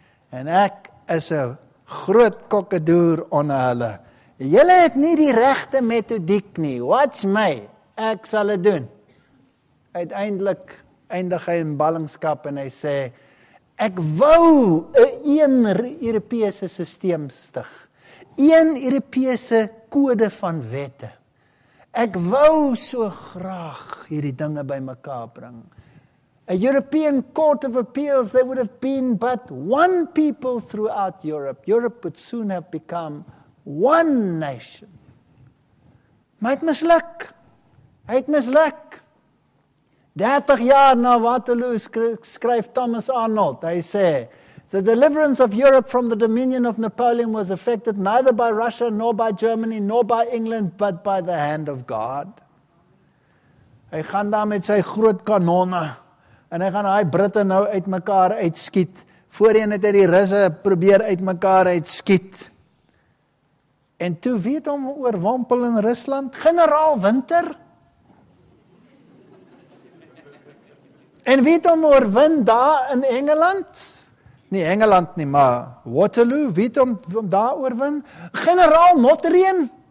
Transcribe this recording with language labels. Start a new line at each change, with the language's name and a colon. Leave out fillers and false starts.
Afrikaans: En ek is 'n groot kokkedoer onder hulle. Julle het nie die regte metodiek nie.
English: Watch my.
Afrikaans: Ek sal dit doen. Uiteindelik eindig hy in ballingskap en hy sê, ek wou 'n een Europese stelsel stig. Een Europese kode van wette. Ek wou so graag hierdie dinge bymekaar bring.
English: A European Court of Appeals, there would have been but one people throughout Europe. Europe would soon have become one nation.
Afrikaans: Maar het misluk. Hy het misluk. 30 jaar na Waterloo skryf Thomas Arnold, hy sê,
English: the deliverance of Europe from the dominion of Napoleon was effected neither by Russia, nor by Germany, nor by England, but by the hand of God.
Afrikaans: Hy gaan daar met sy groot kanone, en hy gaan hy Britte nou uit mekaar uitskiet. Voorheen het hy die Russe probeer uit mekaar uitskiet. En toe weet hom oor Wampel in Rusland, generaal Winter, en weet hom oorwin daar in Engeland, nie Engeland nie, maar Waterloo, weet hom om daar oorwin, generaal Mottereen,